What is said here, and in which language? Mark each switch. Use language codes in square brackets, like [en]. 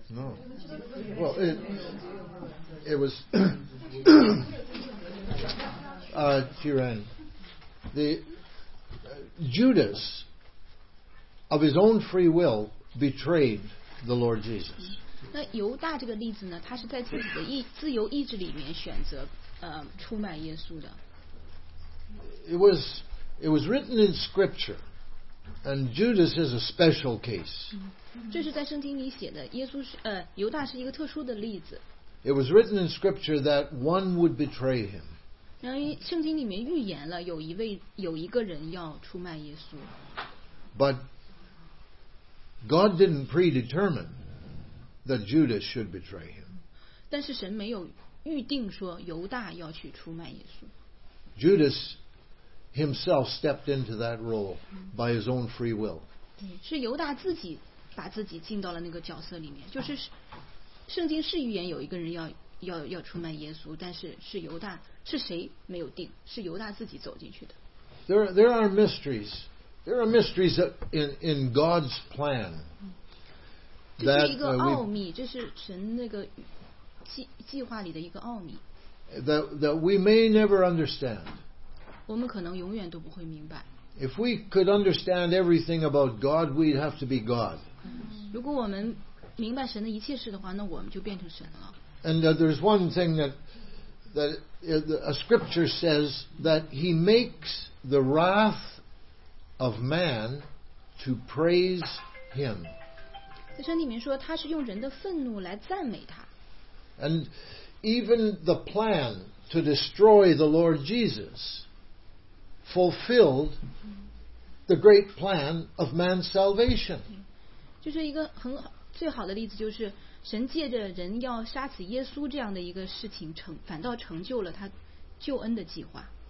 [en] No. Well, it was Turan. Judas, of his own free will, betrayed the Lord Jesus. [zh] 那犹大这个例子呢？他是在自己的自由意志里面选择出卖耶稣的。 [en] It was written in Scripture, and Judas is a special case. [zh] 这是在圣经里写的，耶稣是犹大是一个特殊的例子。 [en] It was written in Scripture that one would betray him. [zh] 然后圣经里面预言了有一个人要出卖耶稣。 [en] But God didn't predetermine that Judas should betray him. [zh] 但是神没有预定说犹大要去出卖耶稣。 [en] Judas himself stepped into that role by his own free will. [zh] 是犹大自己把自己进到了那个角色里面，就是。圣经是预言有一个人要出卖耶稣，但是是犹大，是谁没有定，是犹大自己走进去的。 [en] There are mysteries. There are mysteries in God's plan. [zh] 这是一个奥秘，这是神那个计划里的一个奥秘。 [en] That we may never understand. [zh] 我们可能永远都不会明白。 [en] If we could understand everything about God, we'd have to be God. [zh] 如果我们明白神的一切事的话，那我们就变成神了。 [en] And there's one thing that a scripture says that he makes the wrath of man to praise him. [zh] 在圣经里面说，他是用人的愤怒来赞美他。 [en] And even the plan to destroy the Lord Jesus fulfilled the great plan of man's salvation. [zh] 就是一个很好。最好的例子就是神借着人要杀死耶稣这样的一个事情反倒成就了他救恩的计划。